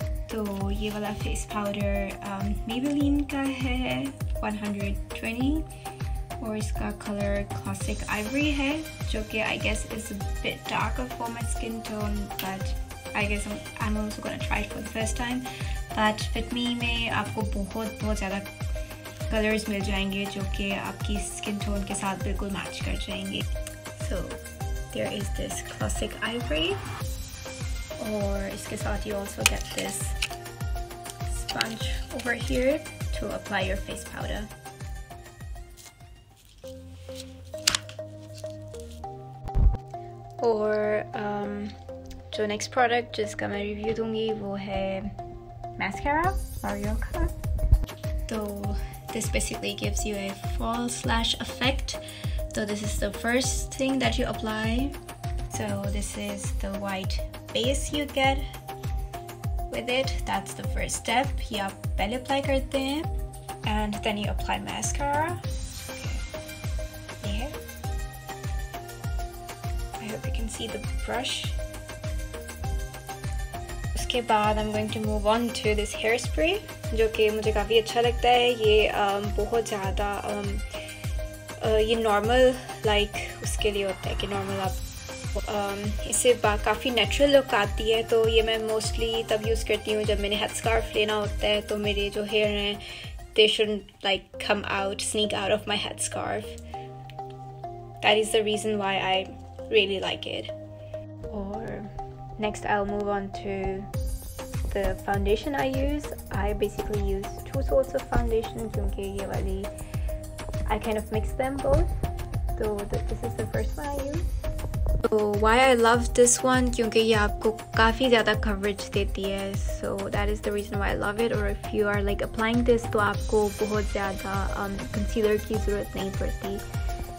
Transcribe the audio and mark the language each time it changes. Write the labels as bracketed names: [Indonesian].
[Hindi] तो ये वाला face powder Maybelline का है 120, और इसका color classic ivory है, जो कि [English] I guess is a bit darker for my skin tone, but I guess I'm also going to try it for the first time. [Hindi] But Fit Me में आपको बहुत बहुत ज़्यादा कलर्स मिल जाएंगे जो कि आपकी स्किन टोन के साथ बिल्कुल मैच कर जाएंगे। [English] so there is this classic ivory, [Hindi] और इसके साथ [English] You also get this sponge over here to apply your face powder. [Hindi] और जो नेक्स्ट प्रोडक्ट जिसका मैं रिव्यू दूंगी वो है मैस्कारा मारियो का। [English] तो this basically gives you a false-lash effect. So this is the first thing that you apply. So this is the white base you get with it. That's the first step. You apply blacker then, and then you apply mascara. Okay. Yeah. I hope you can see the brush. [Hindi] उसके बाद [English] I'm going to move on to this hairspray, [Hindi] जो कि मुझे काफ़ी अच्छा लगता है। ये बहुत ज़्यादा ये नॉर्मल लाइक उसके लिए होता है कि नॉर्मल आप इससे काफ़ी नेचुरल लुक आती है। तो ये मैं मोस्टली तब यूज़ करती हूँ जब मैंने हेड स्कार्फ लेना होता है, तो मेरे जो हेयर हैं [English] They should like come out sneak out of my head scarf. That is the reason why I really like it. और next I will move on to the the foundation I use. I basically use two sorts of foundation [Hindi] kyunki ye wali [English] I kind of mix them both. So this is the first one I use. So why I love this one, [Hindi] kyunki ye aapko kafi zyada coverage deti hai. [English] So that is the reason why I love it. Or if you are like applying this, [Hindi] to aapko bahut zyada concealer ki zarurat nahi padti.